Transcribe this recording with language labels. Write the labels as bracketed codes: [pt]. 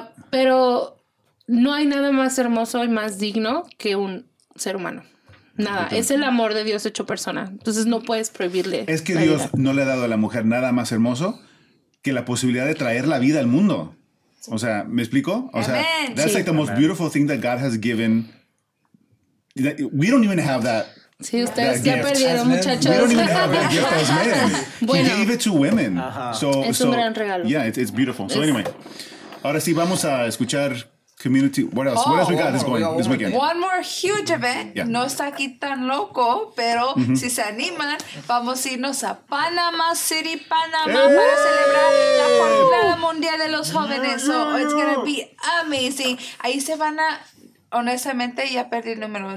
[es] Pero no hay nada más hermoso y más digno que un ser humano. Nada, es el amor de Dios hecho persona. Entonces no puedes prohibirle. Es que Dios no le ha dado a la mujer nada más hermoso que la posibilidad de traer la vida al mundo. O sea, ¿me explico? O sea, [en] that's like the most beautiful thing that God has given. We don't even have that. [es] Sí, ustedes ya perdieron, muchachos. [en] We don't even have that gift as men. Bueno. He gave it to women. [es] Es un gran regalo. [en] Yeah, it's beautiful. So anyway, [es] ahora sí, vamos a escuchar [en] community. What else? What else we got this going this weekend? One more huge event. Yeah. [es] No está aquí tan loco, pero si se animan, vamos a irnos a Panama City, Panama, para celebrar la Jornada Mundial de los Jóvenes. [en] So it's going to be amazing. [es] Ahí se van a... Honestamente, ya perdí el número.